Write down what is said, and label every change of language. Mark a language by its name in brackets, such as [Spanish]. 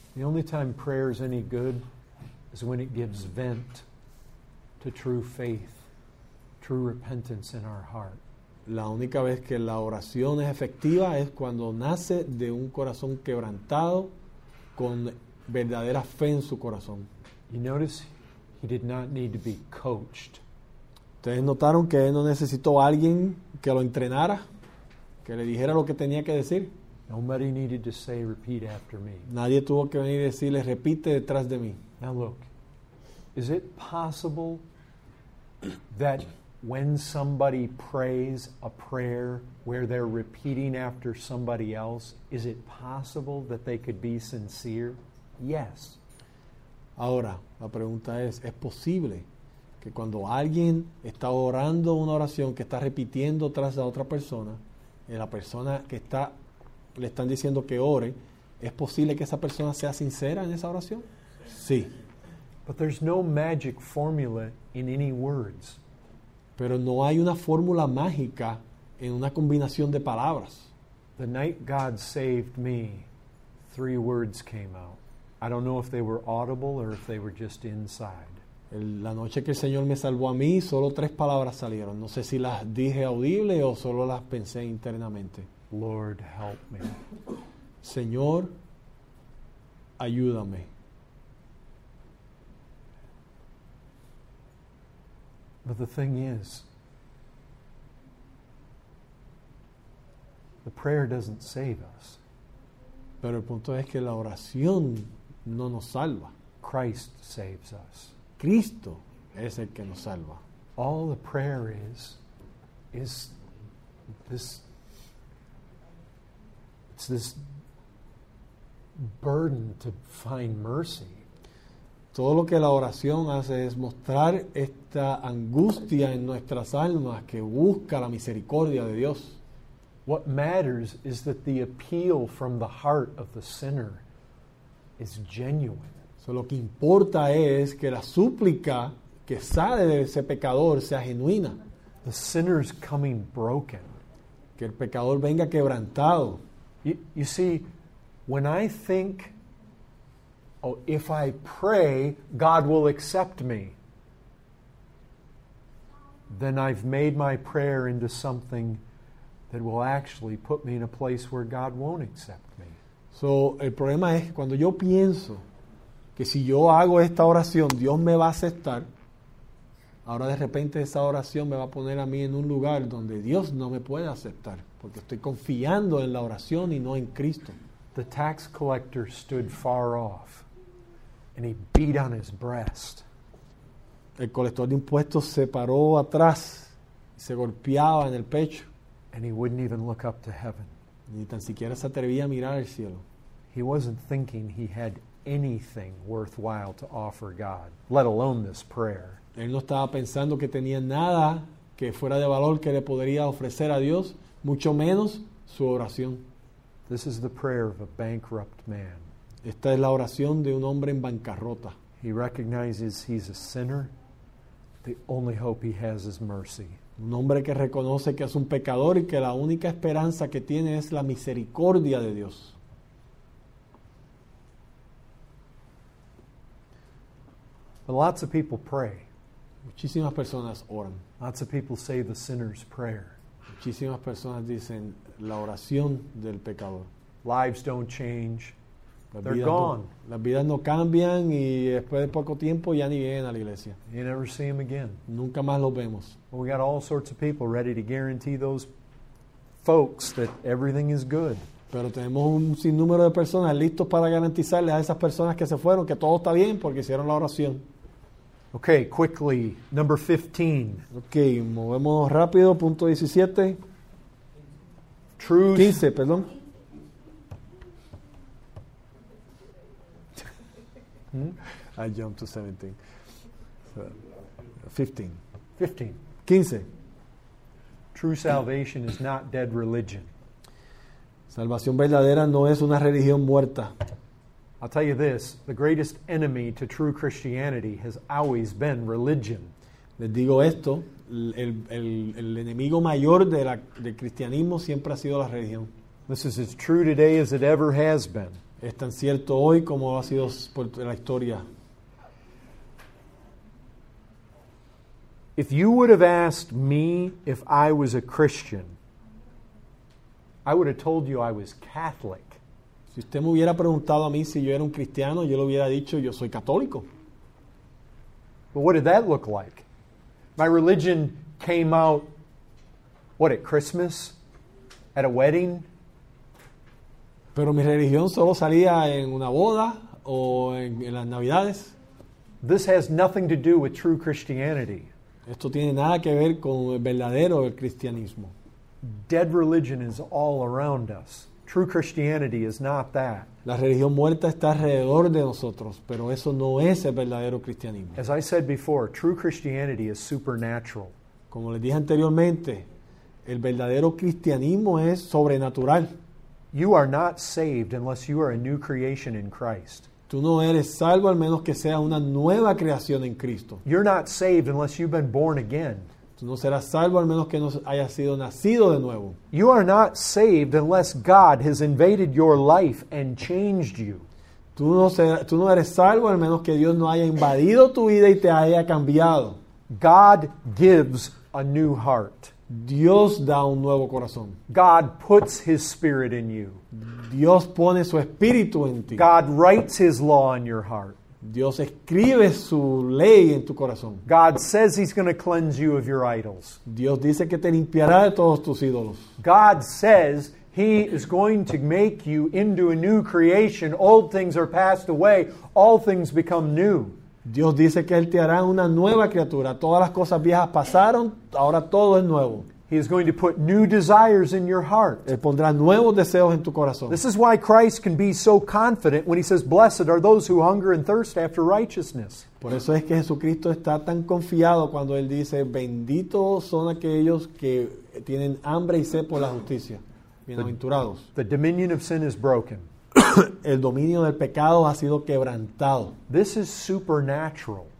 [English] The only time prayer is any good is when it gives vent to true faith, true repentance in our heart. [Spanish] La única vez que la oración es efectiva es cuando nace de un corazón quebrantado con verdadera fe en su corazón. [English] You notice he did not need to be coached. [Spanish] ¿Ustedes notaron que él no necesitó a alguien que lo entrenara? Que le dijera lo que tenía que decir. [English] Nobody needed to say, repeat after me. [Spanish] Nadie tuvo que venir y decirle, repite detrás de mí. [English] Now look, is it possible that when somebody prays a prayer where they're repeating after somebody else, is it possible that they could be sincere? Yes. [Spanish] Ahora, la pregunta ¿es posible que cuando alguien está orando una oración que está repitiendo tras la otra persona, y la persona que está, le están diciendo que ore, ¿es posible que esa persona sea sincera en esa oración? Sí. [English] But there's no magic formula in any words. [Spanish] Pero no hay una fórmula mágica en una combinación de palabras. [English] The night God saved me, three words came out. I don't know if they were audible or if they were just inside. [Spanish] La noche que el Señor me salvó a mí, solo tres palabras salieron. No sé si las dije audible o solo las pensé internamente. [English] Lord, help me. [Spanish] Señor, ayúdame. [English] But the thing is, the prayer doesn't save us. [Spanish] Pero el punto es que la oración no nos salva. [English] Christ saves us. [Spanish] Cristo es el que nos salva. [English] All the prayer is this, it's this burden to find mercy. [Spanish] Todo lo que la oración hace es mostrar esta angustia en nuestras almas que busca la misericordia de Dios. [English] What matters is that the appeal from the heart of the sinner is genuine. [Spanish] So lo que importa es que la súplica que sale de ese pecador sea genuina. [English] The sinner's coming broken. [Spanish] Que el pecador venga quebrantado. [English] You see, when I think, oh, if I pray, God will accept me, then I've made my prayer into something that will actually put me in a place where God won't accept me. [Spanish] So, el problema es cuando yo pienso que si yo hago esta oración, Dios me va a aceptar, ahora de repente esa oración me va a poner a mí en un lugar donde Dios no me puede aceptar, porque estoy confiando en la oración y no en Cristo. [English] The tax collector stood far off. And he beat on his breast. [Spanish] El colector de impuestos se paró atrás, se golpeaba en el pecho. [English] And he wouldn't even look up to heaven. [Spanish] Ni tan siquiera se atrevía a mirar al cielo. [English] He wasn't thinking he had anything worthwhile to offer God, let alone this prayer. [Spanish] Él no estaba pensando que tenía nada que fuera de valor que le podría ofrecer a Dios, mucho menos su oración. [English] This is the prayer of a bankrupt man. [Spanish] Esta es la oración de un hombre en bancarrota. [English] He recognizes he's a sinner. The only hope he has is mercy. [Spanish] Un hombre que reconoce que es un pecador y que la única esperanza que tiene es la misericordia de Dios. [English] But lots of people pray. [Spanish] Muchísimas personas oran. [English] Lots of people say the sinner's prayer. [Spanish] Muchísimas personas dicen la oración del pecador. [English] Lives don't change. They're gone. [Spanish] Las vidas no cambian y después de poco tiempo ya ni vienen a la iglesia. [English] You never see them again. [Spanish] Nunca más los vemos. [English] Well, we got all sorts of people ready to guarantee those folks that everything is good. [Spanish] Pero tenemos un sinnúmero de personas listos para garantizarles a esas personas que se fueron que todo está bien porque hicieron la oración. [English] Okay, quickly, number 15. [Spanish] Okay, movemos rápido, punto 17. [English] Truth. [Spanish] 15, perdón. [English] I jumped to 17. So, 15. True salvation is not dead religion. [Spanish] Salvación verdadera no es una religión muerta. [English] I'll tell you this, the greatest enemy to true Christianity has always been religion. [Spanish] Les digo esto, el enemigo mayor del cristianismo siempre ha sido la religión. [English] This is as true today as it ever has been. [Spanish] Es tan cierto hoy como ha sido por la historia. [English] If you would have asked me if I was a Christian, I would have told you I was Catholic. [Spanish] Si usted me hubiera preguntado a mí si yo era un cristiano, yo le hubiera dicho yo soy católico. [English] But what did that look like? My religion came out, what, at Christmas? At a wedding? [Spanish] Pero mi religión solo salía en una boda o en las Navidades. [English] This has nothing to do with true Christianity. [Spanish] Esto tiene nada que ver con el verdadero cristianismo. [English] Dead religion is all around us. True Christianity is not that. [Spanish] La religión muerta está alrededor de nosotros, pero eso no es el verdadero cristianismo. [English] As I said before, true Christianity is supernatural. [Spanish] Como les dije anteriormente, el verdadero cristianismo es sobrenatural. [English] You are not saved unless you are a new creation in Christ. [Spanish] Tú no eres salvo al menos que seas una nueva creación en Cristo. [English] You're not saved unless you've been born again. [Spanish] Tú no serás salvo al menos que no hayas sido nacido de nuevo. [English] You are not saved unless God has invaded your life and changed you. [Spanish] Tú no eres salvo al menos que Dios no haya invadido tu vida y te haya cambiado. [English] God gives a new heart. [Spanish] Dios da un nuevo corazón. [English] God puts His Spirit in you. [Spanish] Dios pone su espíritu en ti. [English] God writes His law in your heart. [Spanish] Dios escribe su ley en tu corazón. [English] God says He's going to cleanse you of your idols. [Spanish] Dios dice que te limpiará de todos tus ídolos. [English] God says He is going to make you into a new creation. Old things are passed away. All things become new. [Spanish] Dios dice que Él te hará una nueva criatura. Todas las cosas viejas pasaron, ahora todo es nuevo. [English] He is going to put new desires in your heart. [Spanish] Él pondrá nuevos deseos en tu corazón. [English] This is why Christ can be so confident when He says, "Blessed are those who hunger and thirst after righteousness." [Spanish] Por eso es que Jesucristo está tan confiado cuando Él dice, "Benditos son aquellos que tienen hambre y sed por la justicia." Bienaventurados. [English] The dominion of sin is broken. [Spanish] El dominio del pecado ha sido quebrantado. [English] This is supernatural.